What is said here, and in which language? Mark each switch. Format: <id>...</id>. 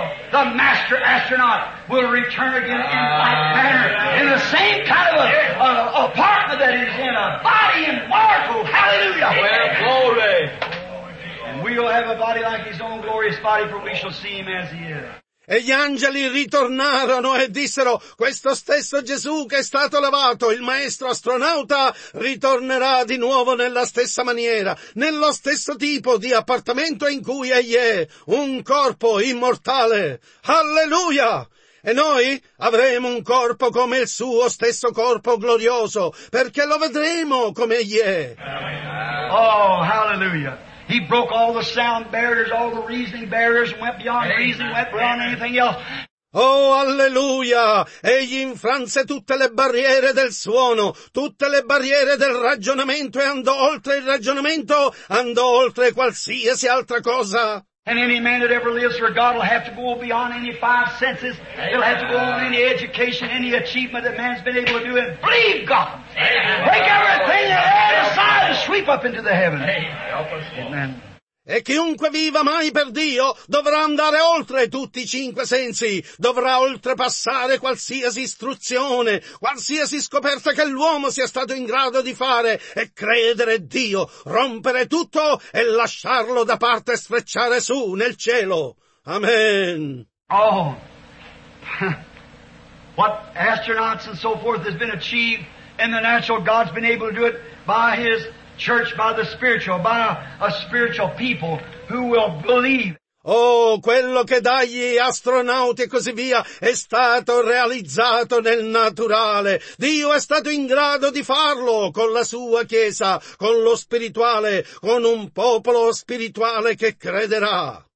<en>The master astronaut will return again in like manner, in the same kind of apartment that is in a body immortal. Hallelujah. Well, glory. And we'll have a body like his own glorious body, for we shall see him as he is.</en> <it>E gli angeli ritornarono e dissero, questo stesso Gesù che è stato levato, il maestro astronauta, ritornerà di nuovo nella stessa maniera, nello stesso tipo di appartamento in cui egli è, un corpo immortale. Alleluia! E noi avremo un corpo come il suo stesso corpo glorioso, perché lo vedremo come egli è.</it> <en>Oh, hallelujah! He broke all the sound barriers, all the reasoning barriers, went beyond reason, went beyond anything else.</en> <it>Oh, alleluia! Egli infranse tutte le barriere del suono, tutte le barriere del ragionamento, e andò oltre il ragionamento, andò oltre qualsiasi altra cosa.</it> <en>And any man that ever lives for God will have to go beyond any five senses. He'll have to go on any education, any achievement that man's been able to do, and believe God. Break everything and aside and sweep up into the heavens. Amen.</en> <it>E chiunque viva mai per Dio dovrà andare oltre tutti i cinque sensi, dovrà oltrepassare qualsiasi istruzione, qualsiasi scoperta che l'uomo sia stato in grado di fare, e credere Dio, rompere tutto e lasciarlo da parte e sfrecciare su nel cielo. Amen.</it> <en>Oh, what astronauts and so forth has been achieved in the natural, God's been able to do it by his church, by the spiritual, by a spiritual people who will believe.</en> <it>Oh, quello che dagli astronauti e così via è stato realizzato nel naturale. Dio è stato in grado di farlo con la sua chiesa, con lo spirituale, con un popolo spirituale che crederà.</it>